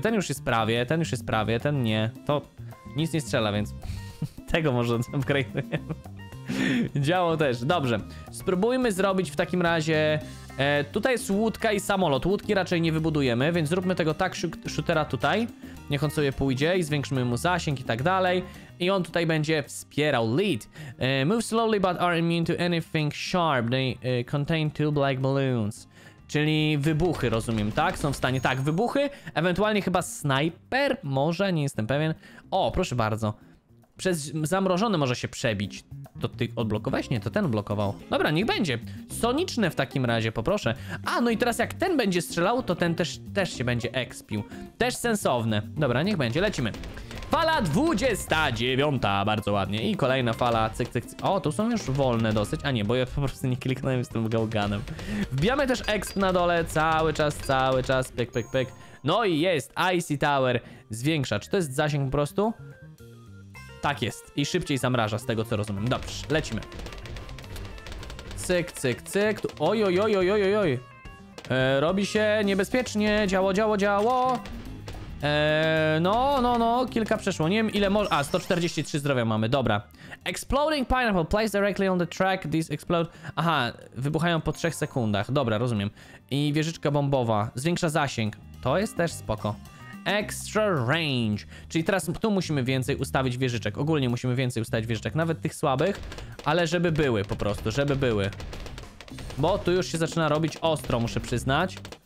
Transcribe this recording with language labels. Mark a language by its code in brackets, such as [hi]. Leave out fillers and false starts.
[pl] Ten już jest prawie, ten już jest prawie, ten nie. To nic nie strzela, więc tego może upgrade'ujemy. Działo też. Dobrze. Spróbujmy zrobić w takim razie... tutaj jest łódka i samolot. Łódki raczej nie wybudujemy, więc zróbmy tego tak, shootera tutaj. Niech on sobie pójdzie i zwiększmy mu zasięg i tak dalej. I on tutaj będzie wspierał lead. [en] Move slowly, but are immune to anything sharp. They contain two black balloons. [pl] Czyli wybuchy, rozumiem, tak? Są w stanie, tak, wybuchy. Ewentualnie chyba snajper, może, nie jestem pewien. O, proszę bardzo. Przez zamrożony może się przebić. To ty odblokowałeś? Nie, to ten blokował. Dobra, niech będzie. Soniczne w takim razie, poproszę. A, no i teraz jak ten będzie strzelał, to ten też się będzie ekspił. Też sensowne. Dobra, niech będzie, lecimy. Fala 29, bardzo ładnie. I kolejna fala, cyk, cyk, cyk. O, tu są już wolne dosyć. A nie, bo ja po prostu nie kliknąłem z tym gałganem. Wbijamy też exp na dole, cały czas, pyk, pyk, pyk. No i jest, Icy Tower zwiększa. Czy to jest zasięg po prostu? Tak jest. I szybciej zamraża, z tego co rozumiem. Dobrze, lecimy. Cyk, cyk, cyk. Oj, oj, oj, oj, oj, oj. Robi się niebezpiecznie. Działo, działo, działo. No, kilka przeszło. Nie wiem ile może. A, 143 zdrowia mamy, dobra. [en] Exploding pineapple, place directly on the track. This explode. [pl] Aha, wybuchają po 3 sekundach. Dobra, rozumiem. I wieżyczka bombowa. Zwiększa zasięg. To jest też spoko. [en] Extra range. [pl] Czyli teraz tu musimy więcej ustawić wieżyczek. Ogólnie musimy więcej ustawić wieżyczek, nawet tych słabych. Ale żeby były po prostu, żeby były. Bo tu już się zaczyna robić ostro, muszę przyznać.